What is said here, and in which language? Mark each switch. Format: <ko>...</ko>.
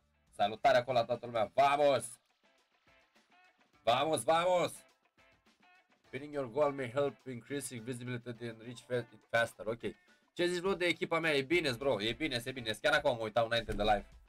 <ro>Salutare acolo la toată lumea,</ro> <es>vamos! Vamos, vamos!</es> <en>Pinning your goal may help increasing visibility and reach faster, ok.</en> <ro>Ce zici, bro, de echipa mea? E bine, bro, e bine, e bine, chiar acum mă uitau înainte de live.</ro>